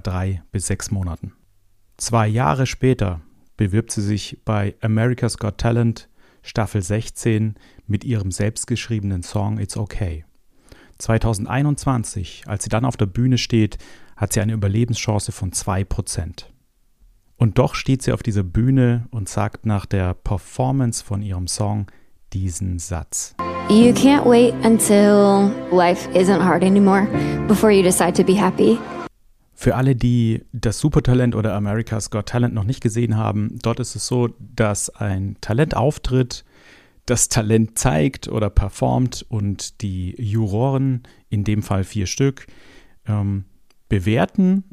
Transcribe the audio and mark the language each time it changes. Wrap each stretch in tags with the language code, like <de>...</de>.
<de>3 bis 6 Monaten. 2 Jahre später bewirbt sie sich bei America's Got Talent Staffel 16 mit ihrem selbstgeschriebenen Song It's Okay. 2021, als sie dann auf der Bühne steht, hat sie eine Überlebenschance von 2%. Und doch steht sie auf dieser Bühne und sagt nach der Performance von ihrem Song diesen Satz.</de> <en>You can't wait until life isn't hard anymore, before you decide to be happy.</en> <de>Für alle, die das Supertalent oder America's Got Talent noch nicht gesehen haben, dort ist es so, dass ein Talent auftritt, das Talent zeigt oder performt und die Juroren, in dem Fall 4 Stück, bewerten.</de>